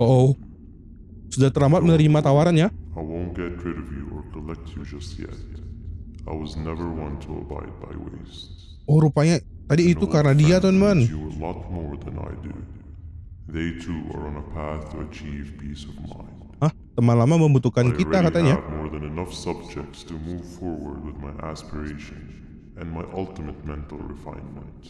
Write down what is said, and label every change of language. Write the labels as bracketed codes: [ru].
[id] Oh, sudah terlambat menerima tawarannya. [en] I won't get rid of you or collect you just yet. I was never one to abide by waste. [id] Oh, rupanya tadi itu karena dia, teman-teman. [en] You a lot more than I do. They too are on a path to achieve peace of mind. [id] Hah, teman lama membutuhkan kita katanya. [en] I have more than enough subjects to move forward with my aspiration and my ultimate mental refinement.